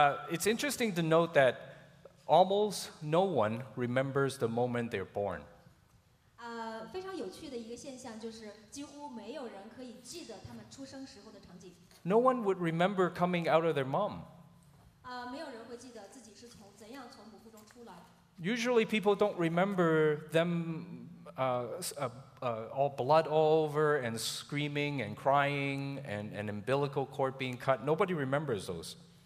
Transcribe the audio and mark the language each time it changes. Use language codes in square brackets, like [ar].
[en] It's interesting to note that almost no one remembers the moment they're born. [zh] 非常有趣的一个现象就是，几乎没有人可以记得他们出生时候的场景。 [en] No one would remember coming out of their mom. [zh] 没有人会记得自己是从怎样从母腹中出来。 [en] Usually people don't remember them all blood all over and screaming and crying and an umbilical cord being cut. Nobody remembers those.